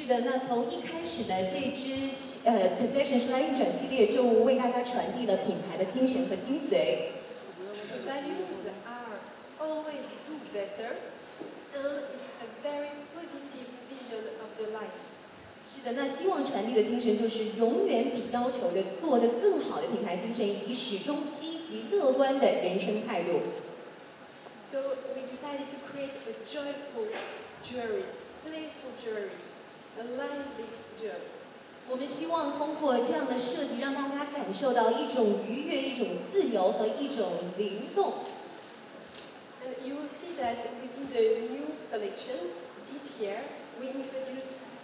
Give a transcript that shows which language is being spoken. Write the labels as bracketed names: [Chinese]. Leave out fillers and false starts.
[Chinese] 是的，那从一开始呢，这支Position 时来运转系列就为大家传递了品牌的精神和精髓。 [English] The values are always do better, and it's a very positive vision of the life. [Chinese] 是的，那希望传递的精神就是永远比要求的做得更好的品牌精神，以及始终积极乐观的人生态度。 [English] So we decided to create a joyful jewelry, playful jewelry, a lively jewelry. [Chinese] 我们希望通过这样的设计，让大家感受到一种愉悦、一种自由和一种灵动。 [English] And you will see that within the new collection this year, we introduced.